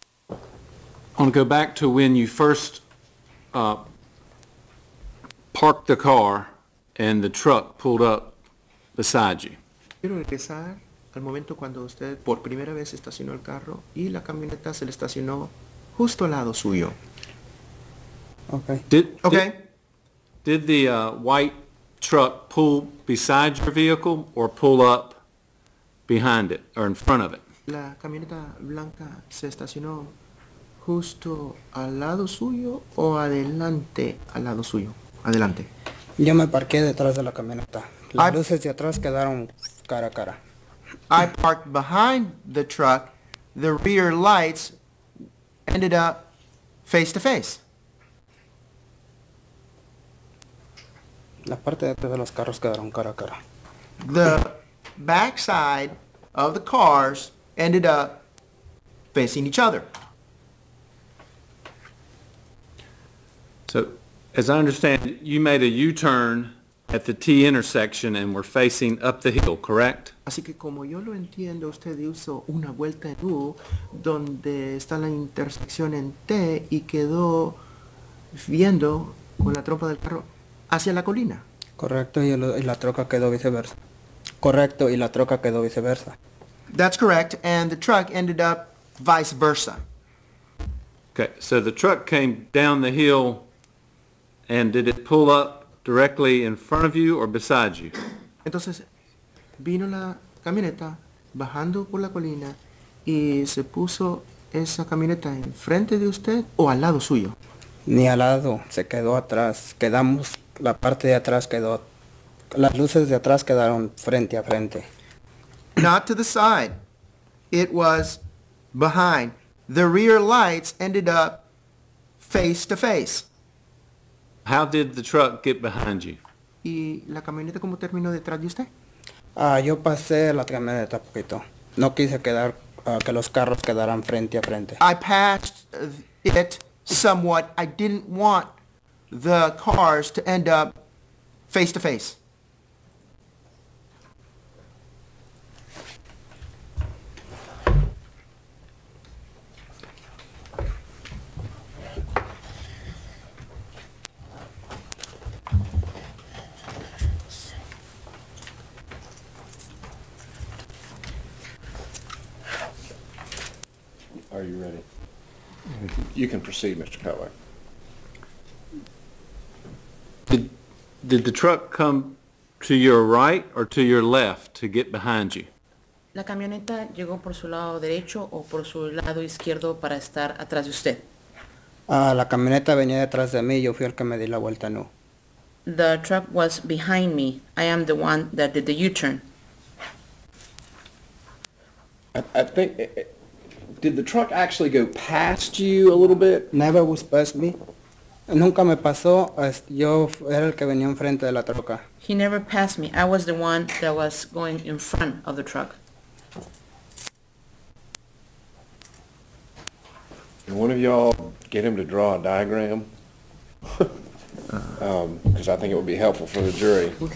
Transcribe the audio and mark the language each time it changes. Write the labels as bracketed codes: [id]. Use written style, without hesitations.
[en] I want to go back to when you first parked the car and the truck pulled up beside you. [es] Quiero regresar al momento cuando usted por primera vez estacionó el carro y la camioneta se le estacionó justo al lado suyo. [en] Okay. Did the white truck pull beside your vehicle or pull up behind it or in front of it? [es] La camioneta blanca se estacionó justo al lado suyo o adelante al lado suyo. Adelante. Yo me parqué detrás de la camioneta. Las luces de atrás quedaron cara a cara. [en] I parked behind the truck. The rear lights ended up face to face. [es] La parte de atrás de los carros quedaron cara a cara. [en] The back side of the cars ended up facing each other. So, as I understand, you made a U-turn at the T intersection and were facing up the hill, correct? [es] Así que como yo lo entiendo, usted hizo una vuelta en U donde está la intersección en T y quedó viendo con la trompa del carro hacia la colina. Correcto, y la troca quedó viceversa. Correcto, y la troca quedó viceversa. [en] That's correct, and the truck ended up vice versa. Okay, so the truck came down the hill, and did it pull up directly in front of you or beside you? [es] Entonces, vino la camioneta bajando por la colina, y se puso esa camioneta enfrente de usted o al lado suyo. Ni al lado, se quedó atrás. Quedamos, la parte de atrás quedó, las luces de atrás quedaron frente a frente. [en] Not to the side. It was behind. The rear lights ended up face to face. How did the truck get behind you? [es] ¿Y la camioneta cómo terminó detrás de usted? Yo pasé la camioneta poquito. No quise quedar, que los carros quedaran frente a frente. [en] I passed it somewhat. I didn't want the cars to end up face to face. Are you ready? You can proceed, Mr. Cutler. Did the truck come to your right or to your left to get behind you? [es] La camioneta llegó por su lado derecho o por su lado izquierdo para estar atrás de usted. La camioneta venía detrás de mí. Yo fui el que me di la vuelta en U. [en] The truck was behind me. I am the one that did the U-turn. Did the truck actually go past you a little bit? Never was past me. [es] Nunca me pasó, yo era el que venía enfrente de la troca. [en] He never passed me. I was the one that was going in front of the truck. Can one of y'all get him to draw a diagram? Because I think it would be helpful for the jury.